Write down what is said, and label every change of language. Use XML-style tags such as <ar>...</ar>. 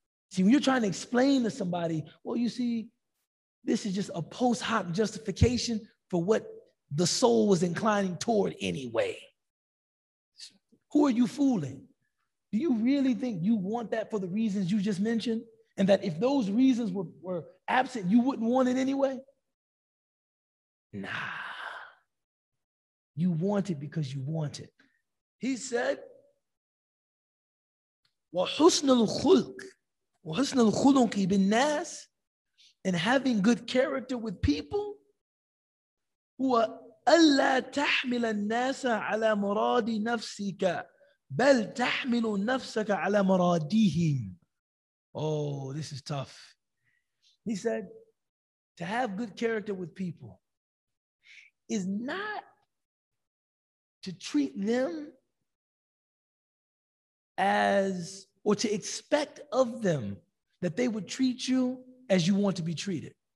<en>See, when you're trying to explain to somebody, well, you see, this is just a post hoc justification for what the soul was inclining toward anyway. Who are you fooling? Do you really think you want that for the reasons you just mentioned? And that if those reasons were absent, you wouldn't want it anyway? Nah. You want it because you want it. He said,</en> <ar>وَحُسْنَ الْخُلُقِ بِالنَّاسِ,</ar> <en>and having good character with people,</en> <ar>هُوَ أَلَّا تَحْمِلَ النَّاسَ عَلَى مُرَادِ نَفْسِكَ بَلْ تَحْمِلُ نَفْسَكَ عَلَى مُرَادِهِمْ.</ar> <en>Oh, this is tough. He said, to have good character with people is not to treat them as, or to expect of them that they would treat you as you want to be treated.</en>